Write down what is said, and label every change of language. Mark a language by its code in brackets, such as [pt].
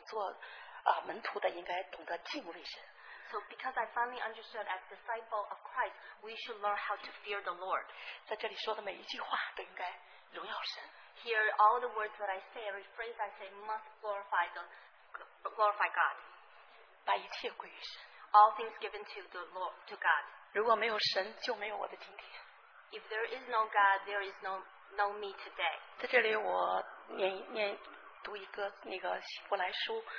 [zh] 因为我懂得了，我们做门徒的应该懂得敬畏神。 [en] So because I finally understood as disciple of Christ, we should learn how to fear the Lord. [zh] 在这里说的每一句话都应该荣耀神。 [en] Here, all the words that I say, every phrase I say, must glorify God. [zh] 把一切归于神。 [en] All things given to the Lord, to God. [zh] 如果没有神，就没有我的今天。 [en] If there is no God, there is no me today. [zh] 在这里我念读一个那个希伯来书